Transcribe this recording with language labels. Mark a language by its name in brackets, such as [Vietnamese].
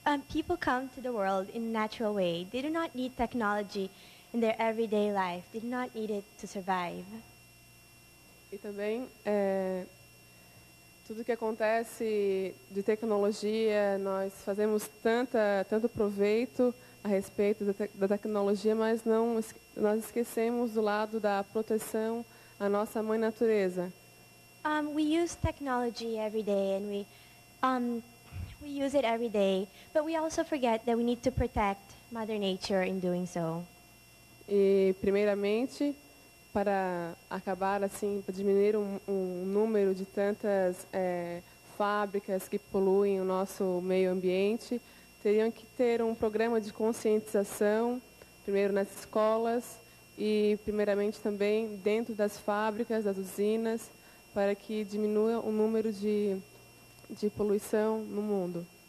[English] People come to the world in a natural way. They do not need technology in their everyday life. They do not need it to survive. [Portuguese] E também, tudo que acontece de tecnologia, nós fazemos tanto proveito a respeito da tecnologia, mas nós esquecemos do lado da proteção à nossa mãe natureza. [English] We use technology every day, and we use it every day, but we also forget that we need to protect Mother Nature in doing so. [Portuguese] E, primeiramente, para acabar, assim, para diminuir um número de tantas fábricas que poluem o nosso meio ambiente, teriam que ter um programa de conscientização, primeiro nas escolas e, primeiramente, também dentro das fábricas, das usinas, para que diminua o número de poluição no mundo.